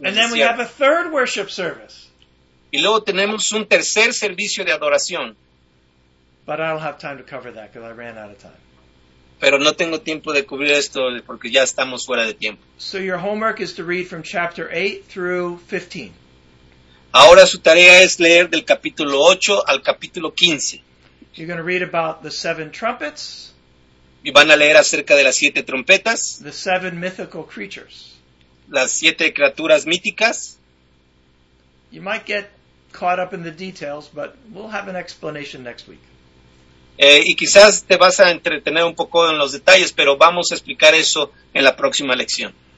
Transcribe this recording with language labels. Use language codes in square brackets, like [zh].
[en] And then we have a third worship service. [es] Y luego tenemos un tercer servicio de adoración. [en] But I don't have time to cover that because I ran out of time. [es] Pero no tengo tiempo de cubrir esto porque ya estamos fuera de tiempo. [en] So your homework is to read from chapter 8 through 15. [es] Ahora su tarea es leer del capítulo 8 al capítulo 15. [en] You're going to read about the seven trumpets. [es] Y van a leer acerca de las siete trompetas. [en] The seven mythical creatures. [es] Las siete criaturas míticas. [en] You might get caught up in the details, but we'll have an explanation next week. [es] Y quizás te vas a entretener un poco en los detalles, pero vamos a explicar eso en la próxima lección.